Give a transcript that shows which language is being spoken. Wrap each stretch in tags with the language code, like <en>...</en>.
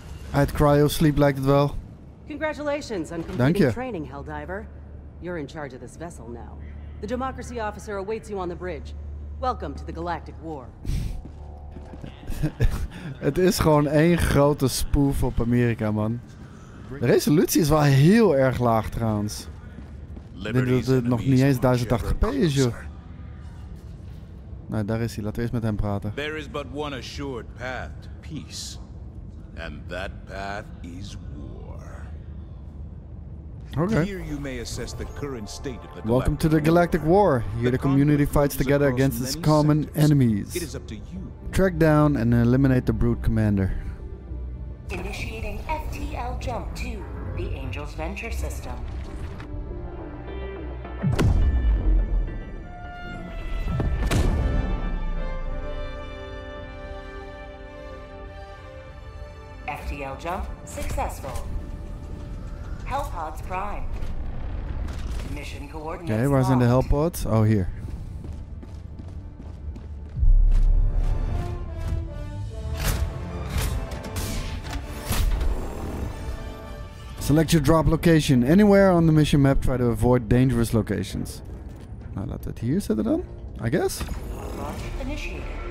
<nl>Uit cryosleep lijkt het wel.</nl> <en>Congratulations on completing training, Helldiver. You're in charge of this vessel now. The Democracy officer awaits you on the bridge. Welcome to the Galactic War.</en> <nl>Het is gewoon één grote spoof op Amerika, man. De resolutie is wel heel erg laag, trouwens. Ik denk dat het nog niet eens 1080p is, joh. Nou, daar is hij. Laten we eerst met hem praten. Er is</nl> <en>but one assured path to peace. And that path is war. Okay. Here you may assess the current state of the Galactic Welcome to the Galactic War. Here the community fights together against its common enemies. It is up to you. Track down and eliminate the Brood Commander. Initiating FTL jump to the Angel's Venture System. FTL jump successful. Hellpods prime. Mission coordinates. Okay, where's in the hellpods? Oh, here. Select your drop location. Anywhere on the mission map, try to avoid dangerous locations.</en> <nl>Nou, laat het hier zetten dan,</nl> <en>I guess. Launch initiated.</en>